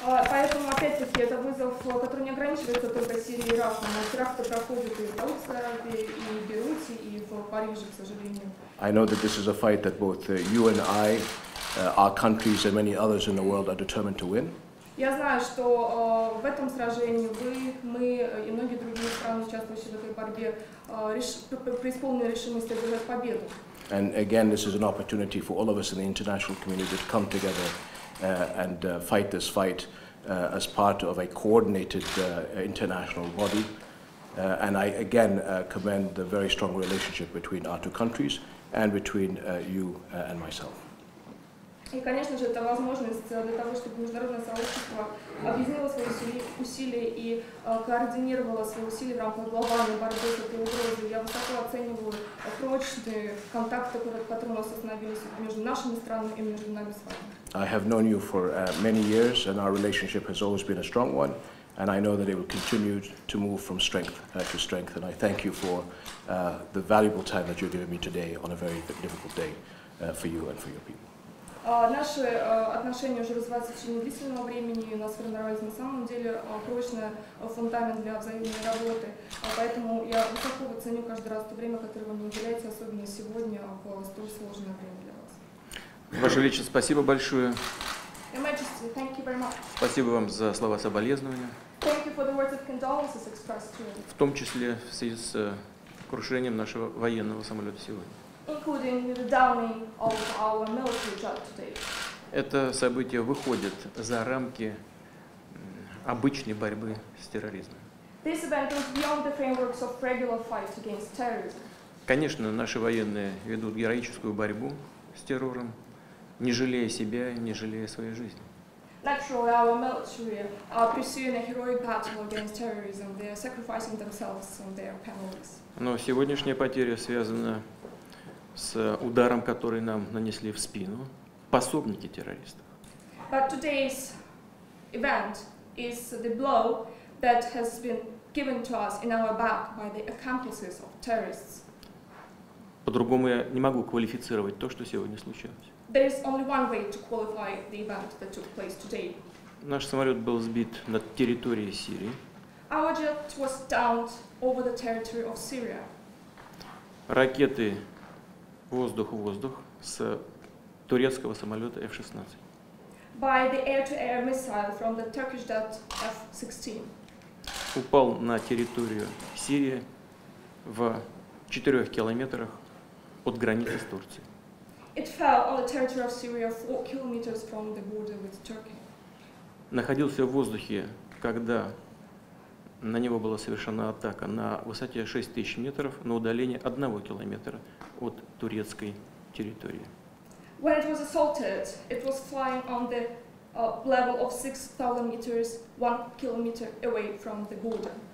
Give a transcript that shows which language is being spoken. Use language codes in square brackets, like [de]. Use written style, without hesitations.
[ru] Поэтому, опять-таки, это вызов, который не ограничивается только Сирией и Ираком, а теракты проходят и в Саудовской Аравии, и в Бейруте, и в Париже, к сожалению. [en] I know that this is a fight that both you and I, our countries, and many others in the world are determined to win. [ru] Я знаю, что в этом сражении вы, мы и многие другие страны, участвующие в этой борьбе, преисполнены решимости одержать победу. [en] And again, this is an opportunity for all of us in the international community to come together and fight this fight as part of a coordinated international body. And I again commend the very strong relationship between our two countries and between you and myself. [ru] И, конечно же, это возможность для того, чтобы международное сообщество объединило свои усилия и координировало свои усилия в рамках глобальной борьбы с этой угрозой. Я высоко оцениваю прочные контакты, которые у нас установились между нашими странами и между нами с вами. [en] I have known you for many years, and our relationship has always been a strong one. And I know that it will continue to move from strength to strength. And I thank you for the valuable time that you're giving me today on a very difficult day for you and for your people. [ru] Наши отношения уже развиваются в течение длительного времени, и у нас формировались на самом деле прочный фундамент для взаимной работы. Поэтому я высоко ценю каждый раз то время, которое вы мне уделяете, особенно сегодня, в столь сложное время для вас. Ваше Величество, спасибо большое. [en] Your Majesty, thank you very much. [ru] Спасибо вам за слова соболезнования. [en] Thank you for the words of condolences expressed to you. [ru] В том числе в связи с крушением нашего военного самолета сегодня. [en] Including the downing of our military jet today. [ru] Это событие выходит за рамки обычной борьбы с терроризмом. [en] This event goes beyond the frameworks of regular fight against terrorism. [ru] Конечно, наши военные ведут героическую борьбу с террором, не жалея себя и не жалея своей жизни. [en] Naturally, our military are pursuing a heroic battle against terrorism. They are sacrificing themselves and their families. [ru] Но сегодняшняя потеря связана с ударом, который нам нанесли в спину пособники террористов. [en] But today's event is the blow that has been given to us in our back by the accomplices of terrorists. [ru] По-другому я не могу квалифицировать то, что сегодня случилось. [en] There is only one way to qualify the event that took place today. [ru] Наш самолет был сбит над территорией Сирии. [en] Our jet was downed over the territory of Syria. [ru] Ракеты воздух-воздух с турецкого самолета F-16. [en] By the air-to-air missile from the Turkish jet F-16. [ru] Упал на территорию Сирии в 4 километрах от границы с Турцией. [en] It fell on the territory of Syria 4 kilometers from the border with Turkey. [ru] Находился в воздухе, когда на него была совершена атака на высоте 6000 метров, на удалении 1 километра от турецкой территории. [en] When it was assaulted, it was flying on the level of 6000 meters, 1 kilometer away from the border.